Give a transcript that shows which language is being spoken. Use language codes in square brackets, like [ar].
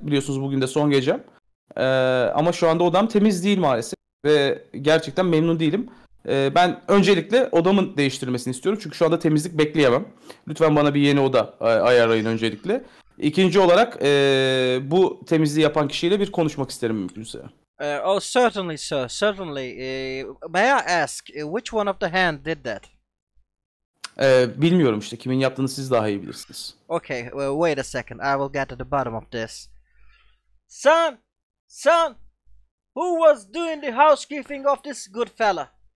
[tr] Biliyorsunuz bugün de son gecem. Ama şu anda odam temiz değil maalesef. Ve gerçekten memnun değilim. Ben öncelikle odamın değiştirilmesini istiyorum. Çünkü şu anda temizlik bekleyemem. Lütfen bana bir yeni oda ayarlayın öncelikle. İkinci olarak bu temizliği yapan kişiyle bir konuşmak isterim mümkünse. [en] Oh certainly sir, certainly. May I ask which one of the hand did that? [tr] Bilmiyorum işte, kimin yaptığını siz daha iyi bilirsiniz. [en] Okay, well, wait a second, I will get to the bottom of this. Son, who was doing the housekeeping of this good fella?